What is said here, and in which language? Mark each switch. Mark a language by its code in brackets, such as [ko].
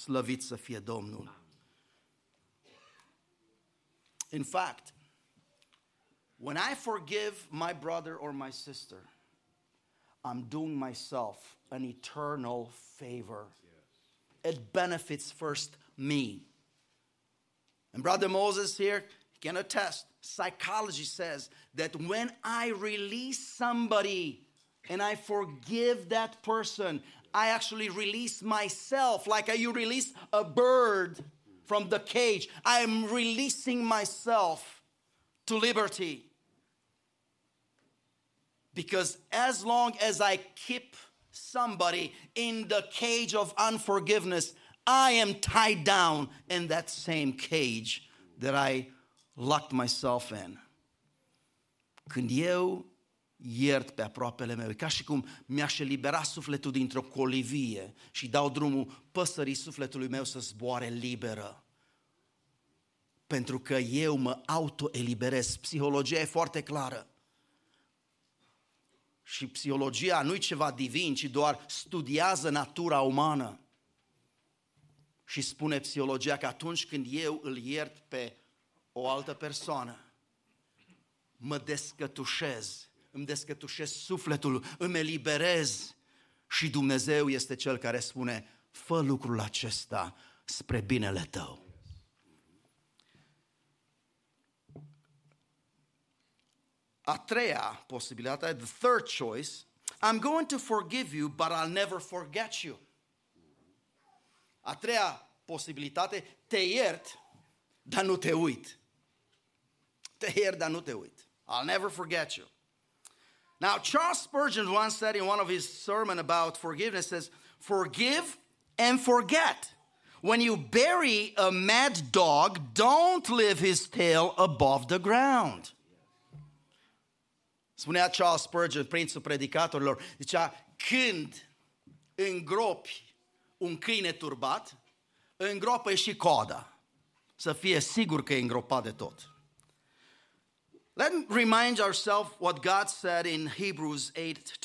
[ro] Slăvit să fie Domnul! [en] In fact, when I forgive my brother or my sister, I'm doing myself an eternal favor. Yes. It benefits first me. And Brother Moses here can attest, psychology says that when I release somebody and I forgive that person, I actually release myself, like you release a bird from the cage. I am releasing myself to liberty. Because as long as I keep somebody in the cage of unforgiveness, I am tied down in that same cage that I locked myself in. [ro] Când eu iert pe aproapele meu, ca și cum mi-aș elibera sufletul dintr-o colivie și dau drumul păsării sufletului meu să zboare liberă. Pentru că eu mă auto-eliberez. Psihologia e foarte clară. Și psihologia nu-i ceva divin, ci doar studiază natura umană. Și spune psihologia că atunci când eu îl iert pe o altă persoană, mă descătușez, îmi descătușez sufletul, îmi eliberez. Și Dumnezeu este Cel care spune, fă lucrul acesta spre binele tău. A treia posibilitate, [en] the third choice, I'm going to forgive you, but I'll never forget you. [ro] A treia posibilitate, te iert, dar nu te uit. Te iert, dar nu te uit. [en] I'll never forget you. Now, Charles Spurgeon once said in one of his sermons about forgiveness, says, forgive and forget. When you bury a mad dog, don't leave his tail above the ground. [ro] Spunea Charles Spurgeon, prințul predicatorilor, zicea, când îngropi un câine turbat, îngropă și coada, să fie sigur că e îngropat de tot. [en] Let me remind ourselves what God said in Hebrews 8:12.